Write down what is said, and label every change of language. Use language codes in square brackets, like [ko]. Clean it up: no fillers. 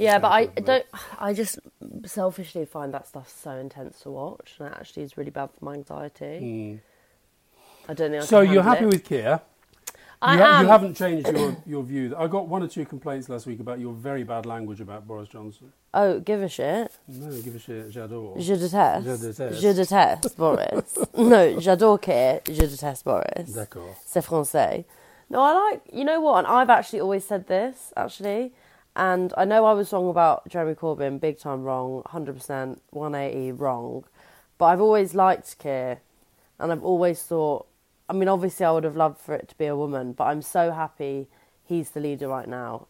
[en] Yeah, but I just selfishly find that stuff so intense to watch, and it actually is really bad for my anxiety. Mm. I don't know. So you're happy with Keir? I am. You haven't changed your view. I got one or two complaints last week about your very bad language about Boris Johnson. Oh, give a shit. No, give a shit. [fr] J'adore. Je déteste. Je déteste. Je déteste Boris. No, j'adore Keir. Je déteste Boris. D'accord. C'est français. [en] No, I like, you know what, and I've actually always said this, actually, and I know I was wrong about Jeremy Corbyn, big time wrong, 100%, 180 wrong, but I've always liked Keir, and I've always thought, I mean, obviously I would have loved for it to be a woman, but I'm so happy he's the leader right now.